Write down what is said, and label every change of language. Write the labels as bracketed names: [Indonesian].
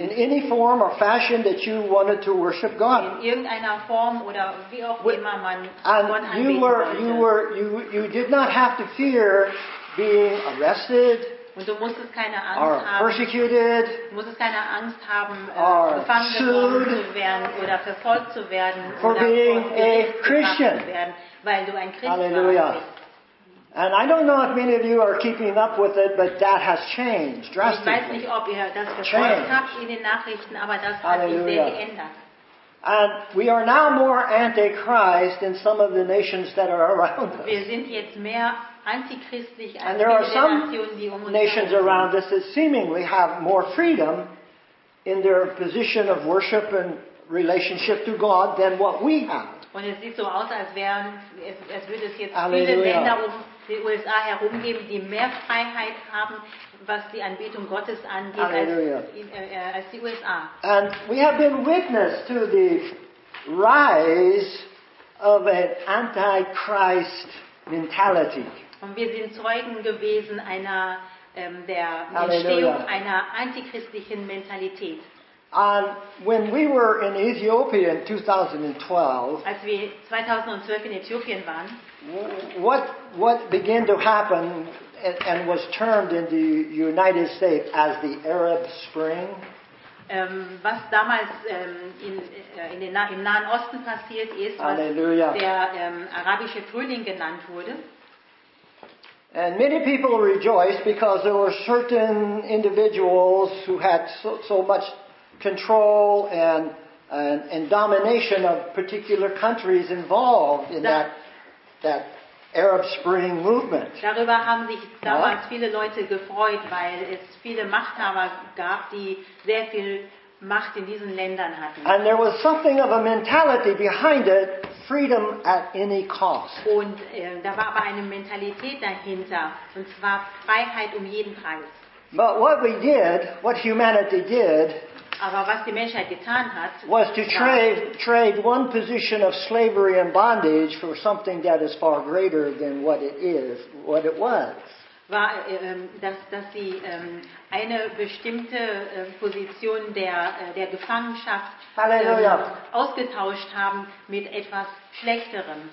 [English] In any form or fashion that you wanted to worship God. [German] In irgendeiner Form oder wie auch immer man Gott anbeten wollte. [English] And you did not have to fear being arrested. [German] Und du musstest keine Angst haben. [English] Persecuted. [German] Du musstest keine Angst haben, gefangen [English] sued, [German] zu werden oder verfolgt zu werden. [English] For [German] oder [English] being a Christian. [German] Weil du ein Christ Halleluja. Bist. [English] And I don't know if many of you are keeping up with it, but that has changed drastically. [German] Ich weiß nicht, ob ihr das verfolgt habt in den Nachrichten, aber das hat sich sehr geändert. [English] And we are now more anti-Christ than some of the nations that are around us. [German] Wir sind jetzt mehr antichristlich als [English] and there are some [German] Nationen, die [English] nations around us that seemingly have more freedom in their position of worship and relationship to God than what we have. [German] Und es sieht so aus, als wären, es würde es jetzt Halleluja. Viele Länder um die USA herum geben, die mehr Freiheit haben, was die Anbetung Gottes angeht, als die USA. [English] And we have been witness to the rise of an anti-Christ mentality. [German] Und wir sind Zeugen gewesen einer der Halleluja. Entstehung einer antichristlichen Mentalität. [English] And when we were in Ethiopia in 2012, [German] als wir 2012 in Äthiopien waren, [English] what began to happen and was termed in the United States as the Arab Spring? [German] Was damals im Nahen Osten passiert ist, was Halleluja. Der arabische Frühling genannt wurde. [English] And many people rejoiced because there were certain individuals who had so much control and domination of particular countries involved in that Arab Spring movement. [German] Darüber haben sich damals viele Leute gefreut, weil es viele Machthaber gab, die sehr viel Macht in diesen Ländern hatten. [English] And there was something of a mentality behind it, freedom at any cost. [German] Und da war aber eine Mentalität dahinter, und zwar Freiheit um jeden Preis. [English] But what we did, what humanity did, [German] aber was die Menschheit getan hat, [English] was to trade one position of slavery and bondage for something that is far greater than what it is, what it was. [German] War, dass sie eine bestimmte Position der Gefangenschaft ausgetauscht haben mit etwas Schlechterem.